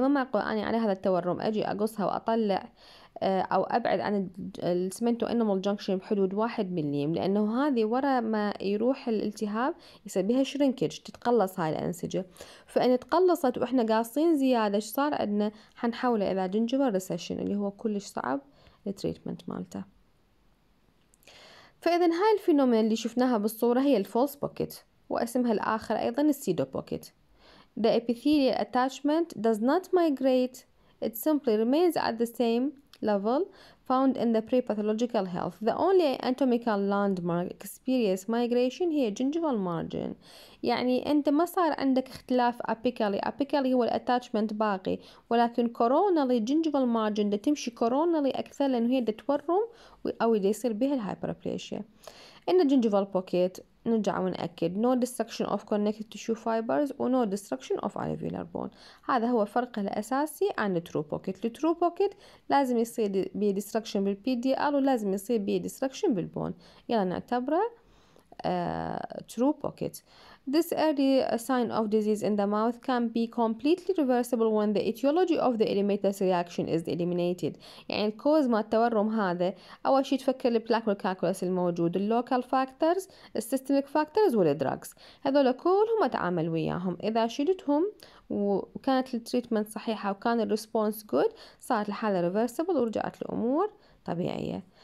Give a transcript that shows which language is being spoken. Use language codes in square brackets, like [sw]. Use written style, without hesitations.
[ar] ما معقول أني على هذا التورم أجي أقصها وأطلع أو أبعد عن السمنتو إنمال جنكشن بحدود 1 مليم لأنه هذه ورا ما يروح الالتهاب يصير بها شرينكج تتقلص هاي الأنسجة. فإن تقلصت وإحنا قاصين زيادة إيش صار عندنا؟ حنحوله إلى جنجيفال ريسيشن اللي هو كلش صعب التريتمنت مالته. فإذا هاي الفينومين اللي شفناها بالصورة هي الفولس بوكيت واسمها الآخر أيضا السيدو بوكيت. [en] The epithelial attachment does not migrate, it simply remains at the same level found in the pre-pathological health. The only anatomical landmark experience migration هي gingival margin. [ar] يعني انت ما صار عندك اختلاف apically. Apically هو الاتاتشمنت باقي ولكن coronally gingival margin ده تمشي coronally اكثر لانه هي ده تورم او ده يصير بها الهايبربلاسيا. [en] in gingival pocket [ar] نرجع ونأكد [en] no destruction of connective tissue fibers و no destruction of alveolar bone. [ar] هذا هو الفرق الأساسي عن true pocket. true pocket لازم يصير بيه destruction بالPDL ولازم يصير بيه destruction بالبون. يلا نعتبره true pocket. [en] This early sign of disease in the mouth can be completely reversible when the etiology of the elimitase reaction is eliminated. [ar] يعني الكوز ما التورم هذا أول شيء تفكر البلاك والكالكولاس الموجود اللوكال فاكتورز السيستميك فاكتورز والدراجز هذول كلهم أتعامل وياهم إذا شلتهم وكانت التريتمنت صحيحة وكان الريسبونس جود صارت الحالة ريفرسبل ورجعت الأمور طبيعية.